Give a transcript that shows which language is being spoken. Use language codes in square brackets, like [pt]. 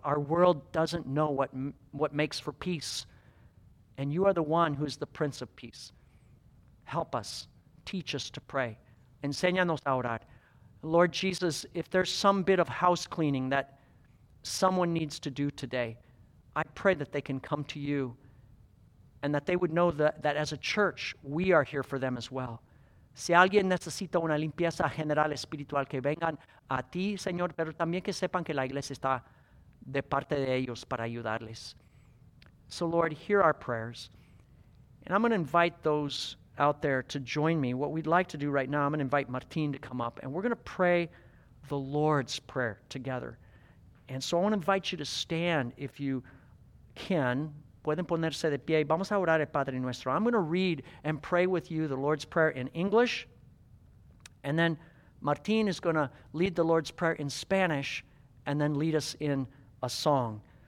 [en] Our world doesn't know what makes for peace, and you are the one who is the Prince of Peace. Help us. Teach us to pray. [es] Enséñanos a orar. [en] Lord Jesus, if there's some bit of house cleaning that someone needs to do today, I pray that they can come to you and that they would know that as a church, we are here for them as well. [es] Si alguien necesita una limpieza general espiritual, que vengan a ti, Señor, pero también que sepan que la iglesia está de parte de ellos para ayudarles. [en] So, Lord, hear our prayers. And I'm going to invite those out there to join me. What we'd like to do right now, I'm going to invite Martin to come up, and we're going to pray the Lord's Prayer together. And so I want to invite you to stand if you can. [es] Pueden ponerse de pie. Vamos a orar el Padre Nuestro. [en] I'm going to read and pray with you the Lord's Prayer in English, and then Martin is going to lead the Lord's Prayer in Spanish and then lead us in a song.